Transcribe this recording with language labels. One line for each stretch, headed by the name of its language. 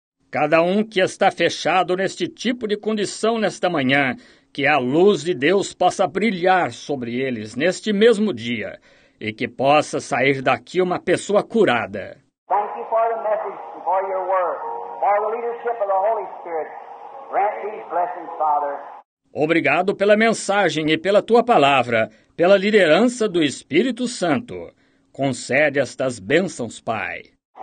Portuguese: Cada um que está fechado neste tipo de condição nesta manhã, que a luz de Deus possa brilhar sobre eles neste mesmo dia e que possa sair daqui uma pessoa curada.
English: Thank you for the message, for your word, for the leadership of the Holy Spirit. Grant these blessings, Father.
Portuguese: Obrigado pela mensagem e pela Tua palavra, pela liderança do Espírito Santo. Concede estas bênçãos, Pai.